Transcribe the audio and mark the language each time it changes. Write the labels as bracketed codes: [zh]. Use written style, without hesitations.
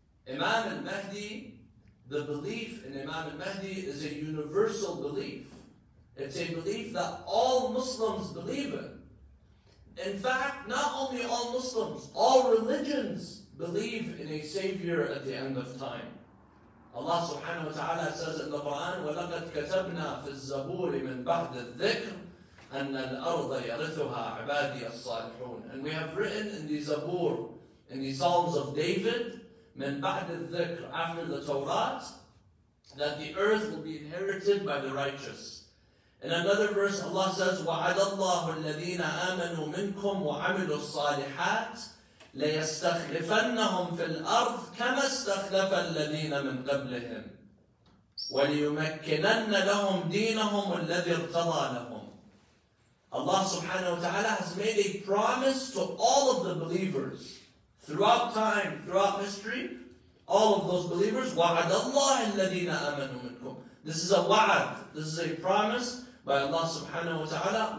[en] Imam al-Mahdi, the belief in Imam al-Mahdi is a universal belief. It's a belief that all Muslims believe in. In fact, not only all Muslims, all religions believe in a savior at the end of time. [ar] Allah subhanahu wa ta'ala says in the Quran, وَلَقَدْ كَتَبْنَا فِي الزَّبُورِ مِنْ بَعْدِ الذِّكْرِ أَنَّ الْأَرْضَ يَرِثُهَا عَبَادِيَ الصَّالِحُونَ. [en] And we have written in the Zabur, in the Psalms of David, [ar] مِنْ بَعْدِ الذِّكْرِ, [en] after the Torah, that the earth will be inherited by the righteous. [ar] In another verse, Allah says, وَعَدَ اللَّهُ الَّذِينَ آمَنُوا مِنْكُمْ وَعَمِلُوا الصَّالِحَاتِ لَيَسْتَخْلِفَنَّهُمْ فِي الْأَرْضِ كَمَا اسْتَخْلَفَ الَّذِينَ مِنْ قَبْلِهِمْ وَلِيُمَكِّنَنَّ لَهُمْ دِينَهُمُ الَّذِي ارْتَضَى لَهُمْ. [en] Allah subhanahu wa ta'ala has made a promise to all of the believers throughout time, throughout history, all of those believers, [ar] وَعَدَ اللَّهِ الَّذِينَ آمَنُوا مِنْكُمْ. [en] This is a wa'ad. This is a promise by Allah subhanahu wa ta'ala.